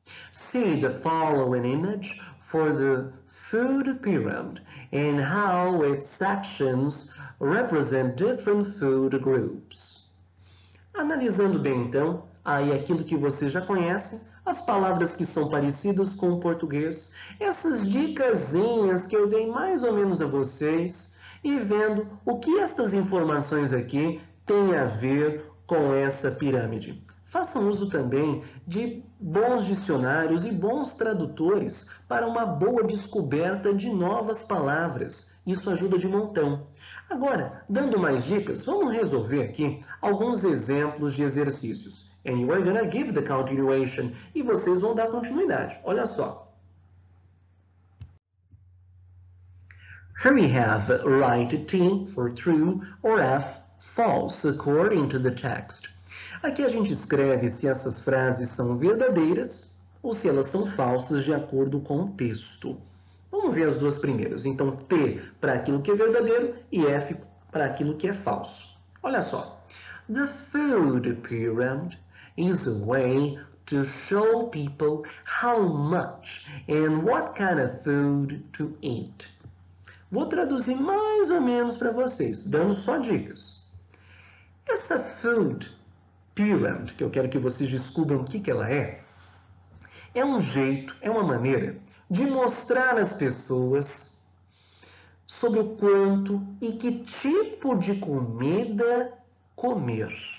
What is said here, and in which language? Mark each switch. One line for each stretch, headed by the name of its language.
English: See the following image for the food pyramid and how its sections represent different food groups.
Portuguese: Analisando bem então, aí aquilo que você já conhece, as palavras que são parecidas com o português, essas dicasinhas que eu dei mais ou menos a vocês, e vendo o que essas informações aqui têm a ver com essa pirâmide. Façam uso também de bons dicionários e bons tradutores para uma boa descoberta de novas palavras. Isso ajuda de montão. Agora, dando mais dicas, vamos resolver aqui alguns exemplos de exercícios.
English: And you are going to give the continuation.
Portuguese: E vocês vão dar continuidade. Olha só.
English: Here we have right T for true or F false according to the text.
Portuguese: Aqui a gente escreve se essas frases são verdadeiras ou se elas são falsas de acordo com o texto. Vamos ver as duas primeiras. Então, T para aquilo que é verdadeiro e F para aquilo que é falso. Olha só.
English: The food pyramid is a way to show people how much and what kind of food to eat.
Portuguese: Vou traduzir mais ou menos para vocês, dando só dicas. Essa food pyramid, que eu quero que vocês descubram o que que ela é, é um jeito, é uma maneira de mostrar às pessoas sobre o quanto e que tipo de comida comer.